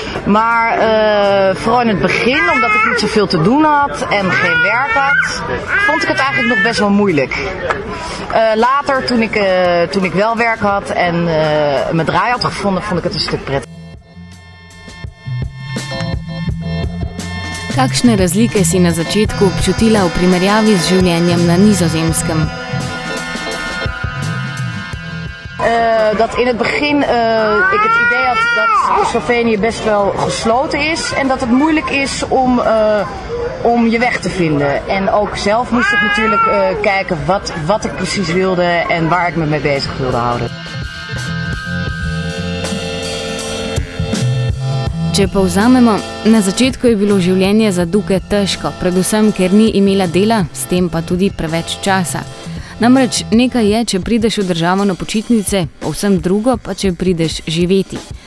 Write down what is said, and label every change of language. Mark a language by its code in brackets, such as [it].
[nl] Maar vooral in het begin, omdat ik niet zoveel te doen had en geen werk had, vond ik het eigenlijk nog best wel moeilijk. Later, toen ik wel werk had en mijn draai had gevonden, vond ik het een stuk prettiger. [sl] Kakšne razlike si na začetku občutila v primerjavi z življenjem na Nizozemskem? [nl] Dat in het begin ik het idee had dat Slovenië best wel gesloten is en dat het moeilijk is om je weg te vinden. En ook zelf moest ik natuurlijk kijken wat ik precies wilde en waar ik me mee bezig wilde houden. [sl] Če povzamemo, na začetku je bilo življenje za Duke težko, predvsem ker ni imela dela, s tem pa tudi preveč časa. Namreč nekaj je, če prideš v državo na počitnice, povsem drugo pa, če prideš živeti.